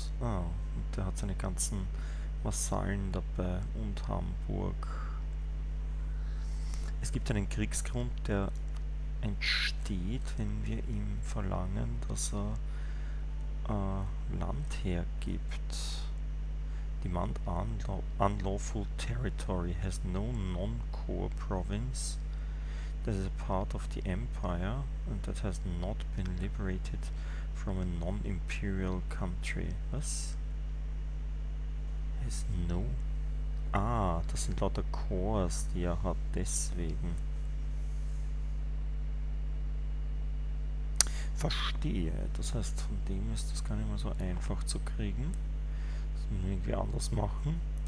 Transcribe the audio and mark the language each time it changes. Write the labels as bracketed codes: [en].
[de] Ah, und der hat seine ganzen Vasallen dabei und Hamburg. Es gibt einen Kriegsgrund, der entsteht, wenn wir ihm verlangen, dass er Land hergibt. [en] Demand unlawful territory has no non-core province that is a part of the empire and that has not been liberated from a non-imperial country. [de] Was? [en] Has no. [de] Ah, das sind lauter Cores, die er hat, deswegen. Verstehe. Das heißt, von dem ist das gar nicht mehr so einfach zu kriegen. Das müssen wir irgendwie anders machen.